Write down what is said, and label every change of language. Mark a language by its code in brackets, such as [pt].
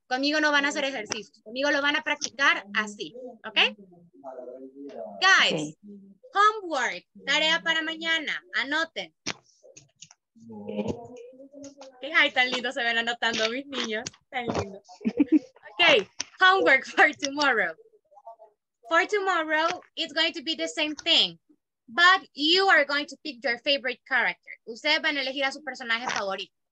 [es] Conmigo no van a hacer ejercicios. Conmigo lo van a practicar así. ¿Ok? [en] Guys, okay. Homework. [es] Tarea para mañana. Anoten. Okay. Ay, tan lindo se ven anotando mis niños. Tan lindo. [en] Ok. Homework for tomorrow. For tomorrow, it's going to be the same thing. But you are going to pick your favorite character. [es] Ustedes van a elegir a su personaje favorito.